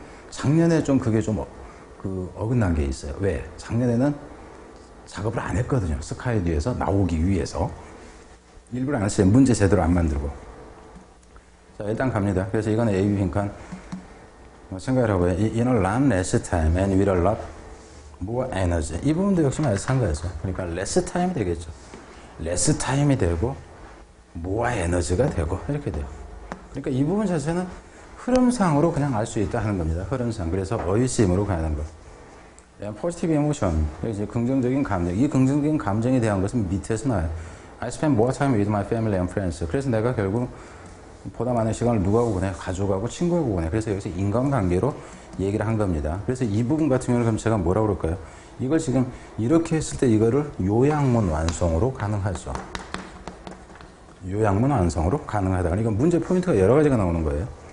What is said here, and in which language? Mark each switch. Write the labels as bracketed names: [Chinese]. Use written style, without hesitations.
[Korean] 작년에 좀 그게 좀 어긋난 게 있어요. 왜? 작년에는 작업을 안 했거든요. 스카이뒤에서 나오기 위해서. 일부러 안 했어요. 문제 제대로 안 만들고. 자, 일단 갑니다. 그래서 이거는 AB 빈칸. 생각을 하고요. [English] In a lot less time and with a lot more energy. [Korean] 이 부분도 역시 마찬가지죠. 그러니까 [English] less time [Korean] 되겠죠. less time이 되고 [English] more energy [Korean] 가 되고 이렇게 돼요. 그러니까 이 부분 자체는 흐름상으로 그냥 알 수 있다 하는 겁니다. 흐름상. 그래서 의심으로 가야 하는 거. [English] positive emotion. [Korean] 이제 긍정적인 감정. 이 긍정적인 감정에 대한 것은 밑에서 나와요. [English] I spend more time with my family and friends. [Korean] 그래서 내가 결국 보다 많은 시간을 누구하고 보내? 가족하고 친구하고 보내. 그래서 여기서 인간관계로 얘기를 한 겁니다. 그래서 이 부분 같은 경우는 그럼 제가 뭐라고 그럴까요? 이걸 지금 이렇게 했을 때 이거를 요약문 완성으로 가능하죠. 요약문 완성으로 가능하다. 그러니까 문제 포인트가 여러 가지가 나오는 거예요.